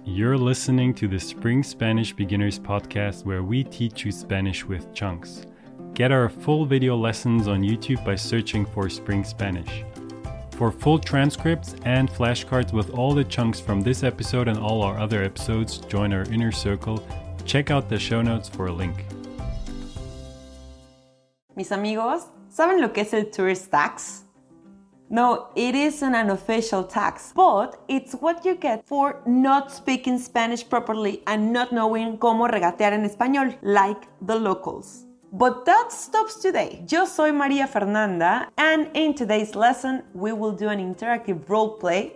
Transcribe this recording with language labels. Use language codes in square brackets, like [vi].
[en] You're listening to the Spring Spanish Beginners podcast where we teach you Spanish with chunks. Get our full video lessons on YouTube by searching for Spring Spanish. For full transcripts and flashcards with all the chunks from this episode and all our other episodes, join our inner circle. Check out the show notes for a link. [es] Mis amigos, ¿saben lo que es el [en] tourist tax? No, it is an unofficial tax, but it's what you get for not speaking Spanish properly and not knowing [es] cómo regatear en español, [en] like the locals. But that stops today. [es] Yo soy María Fernanda, [en] and in today's lesson, we will do an interactive roleplay.